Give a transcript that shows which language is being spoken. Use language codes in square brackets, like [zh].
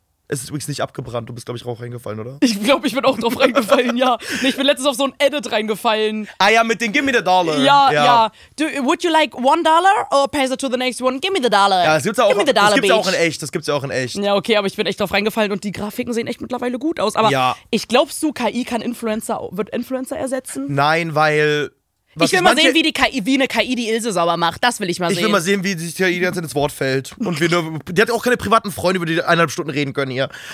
[de] Es ist übrigens nicht abgebrannt. Du bist, glaube ich, auch reingefallen, oder? Ich glaube, ich bin auch drauf reingefallen, ja. Nee, ich bin letztens auf so ein Edit reingefallen. Ah ja, mit dem [en] Give me the dollar. [de] Ja. [en] Do, would you like $1 or pass it to the next one? Give me the dollar. [de] Ja, das gibt's ja auch in echt. Das gibt's ja auch in echt. Ja, okay, aber ich bin echt drauf reingefallen und die Grafiken sehen echt mittlerweile gut aus. Aber ich glaubst du, KI kann Influencer, wird Influencer ersetzen? Nein, weil... Ich will mal sehen, wie die KI, wie eine KI die Ilse sauber macht. Das will ich mal sehen. Ich will mal sehen, wie die KI ganz ins Wort fällt. Und wie nur, die hat auch keine privaten Freunde, über die 1,5 Stunden reden können hier.